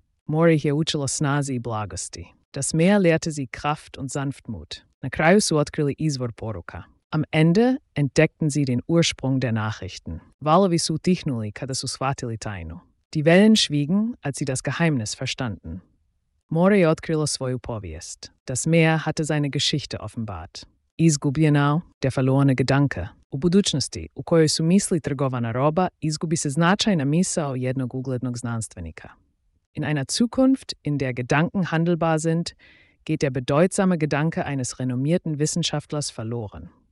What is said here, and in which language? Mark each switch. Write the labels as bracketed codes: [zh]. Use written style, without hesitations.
[hr] More je učilo snazi i blagosti. [de] Das Meer lehrte sie Kraft und Sanftmut. [hr] Na kraju su otkrili izvor poruka. [de] Am Ende entdeckten sie den Ursprung der Nachrichten. [hr] Valovi su tihnuli kada su shvatili tajnu. [de] Die Wellen schwiegen, als sie das Geheimnis verstanden. [hr] More je otkrilo svoju povijest. [de] Das Meer hatte seine Geschichte offenbart. [hr] Izgubljenao, [de] der verlorene Gedanke. [hr] U budućnosti, u kojoj su misli trgovana roba, izgubi se značajna misao jednog uglednog znanstvenika. [de] In einer Zukunft, in der Gedanken handelbar sind, geht der bedeutsame Gedanke eines renommierten Wissenschaftlers verloren.